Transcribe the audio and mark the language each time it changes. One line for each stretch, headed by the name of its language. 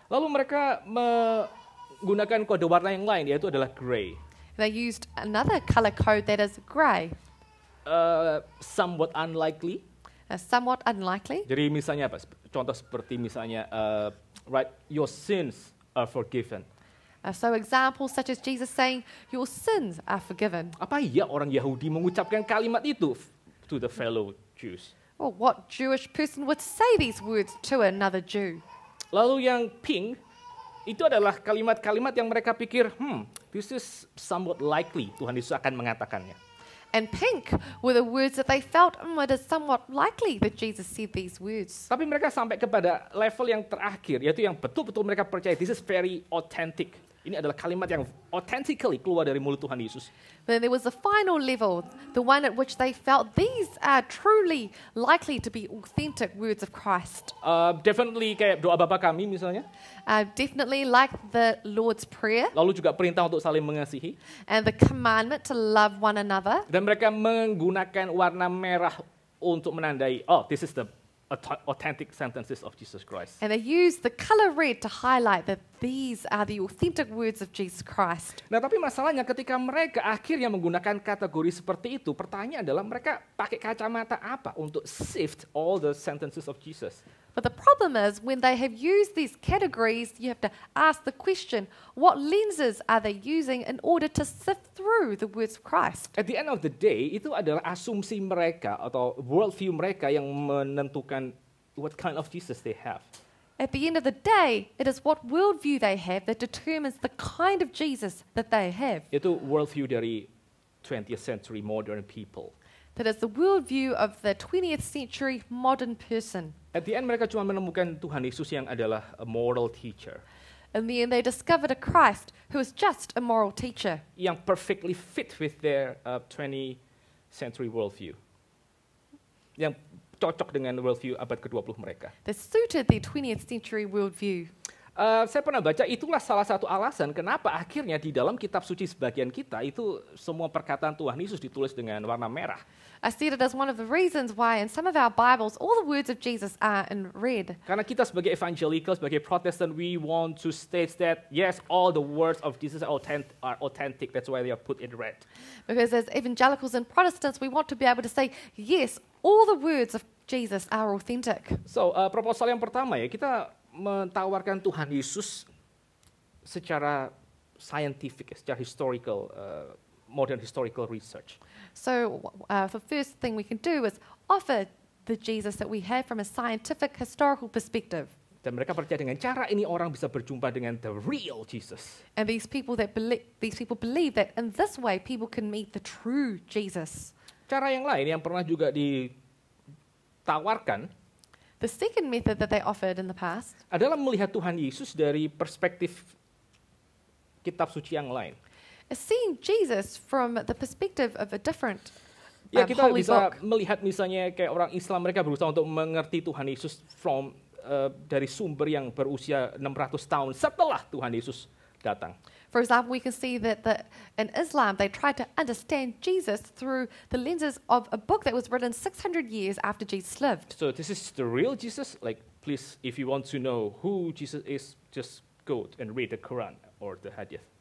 Indonesian: Lalu mereka menggunakan kode warna yang lain, yaitu adalah gray.
English: They used another color code that is gray. Somewhat unlikely. Somewhat unlikely.
Indonesian: Jadi misalnya apa? Contoh seperti misalnya,
English: right, your sins are forgiven. So examples such as Jesus saying, your sins are forgiven.
Indonesian: Apa iya orang Yahudi mengucapkan kalimat itu
English: to the fellow Jews? Well, what Jewish person would say these words to another Jew?
Indonesian: Lalu yang pink, itu adalah kalimat-kalimat yang mereka pikir,
English: this is somewhat likely
Indonesian: Tuhan Yesus akan mengatakannya.
English: And pink were the words that they felt, it is somewhat likely that Jesus said these words.
Indonesian: Tapi mereka sampai kepada level yang terakhir, yaitu yang betul-betul mereka percaya,
English: this is very authentic.
Indonesian: Ini adalah kalimat yang authentically keluar dari mulut Tuhan Yesus.
English: Then there was the final level, the one at which they felt these are truly likely to be authentic words of Christ.
Indonesian: Definitely kayak doa Bapa kami misalnya.
English: Definitely like the Lord's Prayer.
Indonesian: Lalu juga perintah untuk saling mengasihi.
English: And the commandment to love one another.
Indonesian: Dan mereka menggunakan warna merah untuk menandai,
English: oh, this is the authentic sentences of Jesus Christ. And they use the color red to highlight that these are the authentic words of Jesus Christ.
Indonesian: Nah, tapi masalahnya ketika mereka akhirnya menggunakan kategori seperti itu, pertanyaan adalah mereka pakai kacamata apa untuk
English: sift all the sentences of Jesus? But the problem is, when they have used these categories, you have to ask the question, what lenses are they using in order to sift through the words of Christ? At the end of the day,
Indonesian: itu adalah asumsi mereka atau worldview mereka yang menentukan
English: what kind of Jesus they have. At the end of the day, it is what worldview they have that determines the kind of Jesus that they have. Itu worldview dari 20th century modern people. That is the worldview of the 20th century modern person.
Indonesian: At the end, mereka cuma menemukan Tuhan Yesus yang adalah
English: a moral teacher. In the end, they discovered a Christ who is just a moral teacher. Yang perfectly fit with their 20th century worldview.
Indonesian: Yang cocok dengan worldview abad ke-20 mereka.
English: That suited their 20th century worldview.
Indonesian: Saya pernah baca, itulah salah satu alasan kenapa akhirnya di dalam kitab suci sebagian kita itu semua perkataan Tuhan Yesus ditulis dengan warna merah.
English: I see it as one of the reasons why in some of our Bibles all the words of Jesus are in red.
Indonesian: Karena kita sebagai evangelical, sebagai Protestant,
English: we want to state that yes, all the words of Jesus are authentic. That's why they are put in red. Because as evangelicals and Protestants, we want to be able to say yes, all the words of Jesus are authentic.
Indonesian: So, proposal yang pertama ya, kita menawarkan Tuhan Yesus secara scientific, secara historical,
English: modern historical research. So the first thing we can do is offer the Jesus that we have from a scientific historical perspective.
Indonesian: Dan mereka percaya dengan cara ini orang bisa berjumpa dengan
English: the real Jesus. And these people believe that in this way people can meet the true Jesus.
Indonesian: Cara yang lain yang pernah juga ditawarkan.
English: The second method that they offered in the past
Indonesian: adalah melihat Tuhan Yesus dari perspektif kitab suci yang lain.
English: Seeing Jesus from the perspective of a different holy book.
Indonesian: Kita bisa
English: book.
Indonesian: Melihat misalnya kayak orang Islam mereka berusaha untuk mengerti Tuhan Yesus
English: from
Indonesian: dari sumber yang berusia 600 tahun setelah Tuhan Yesus datang.
English: For example, we can see that in Islam they tried to understand Jesus through the lenses of a book that was written 600 years after Jesus lived. So this is the real Jesus? Like, please, if you want to know who Jesus is, just go and read the Quran or the Hadith.